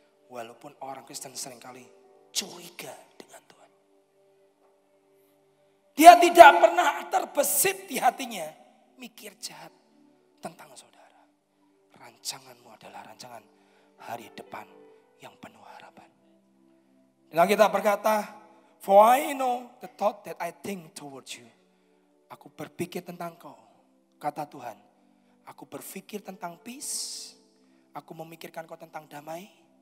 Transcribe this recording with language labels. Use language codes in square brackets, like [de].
[id] Walaupun orang Kristen seringkali curiga dengan Tuhan. Dia tidak pernah terbesit di hatinya mikir jahat tentang saudara. Rancanganmu adalah rancangan hari depan yang penuh harapan. Dan kita berkata, [en] for I know the thought that I think towards you. [id] Aku berpikir tentang kau, kata Tuhan. Aku berpikir tentang peace. Aku memikirkan kau tentang damai.